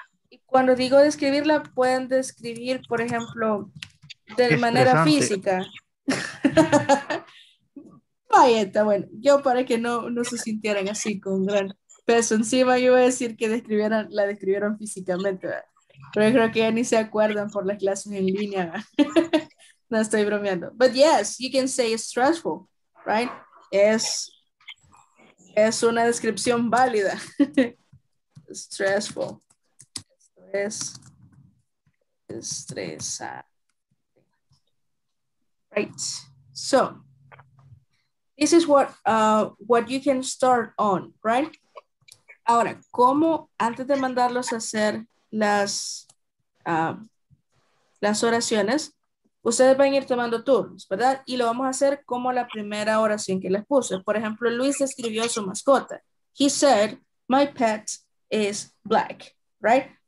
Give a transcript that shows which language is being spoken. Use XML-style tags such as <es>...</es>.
<es>Y cuando digo describirla, pueden describir, por ejemplo, de manera física. Vaya, bueno, yo para que no se sintieran así con gran peso encima, yo voy a decir que la describieron físicamente, ¿verdad? Pero yo creo que ya ni se acuerdan por las clases en línea. No estoy bromeando.</es> <en>But yes, you can say it's stressful, right?</en> <es>Es una descripción válida. Stressful. Esto es estresante.</es> <en>Right. So, this is what you can start on, right?</en> <es>Ahora, ¿cómo antes de mandarlos a hacer las oraciones? Ustedes van a ir tomando turnos, ¿verdad? Y lo vamos a hacer como la primera oración que les puse. Por ejemplo, Luis describió su mascota.</es> <en>He said, my pet is black, right?</en>